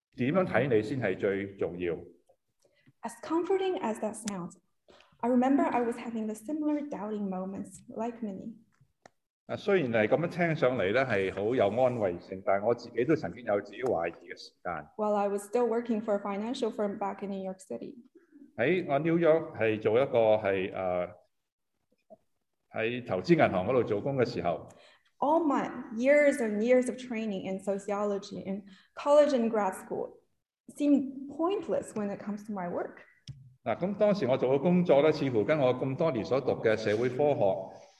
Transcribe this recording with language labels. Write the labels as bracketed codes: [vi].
[zh] 无论别人怎样说，只是神怎样看你才是最重要。 [en] As comforting as that sounds, I remember I was having the similar doubting moments like many. [zh] 虽然这样听上来是很有安慰性，但我自己也曾经有自己怀疑的时间。 [en] While I was still working for a financial firm back in New York City. [zh] 在纽约做一个在投资银行那里做工的时候。 [en] All my years and years of training in sociology in college and grad school seemed pointless when it comes to my work. [zh] 当时我做的工作似乎跟我这么多年所读的社会科学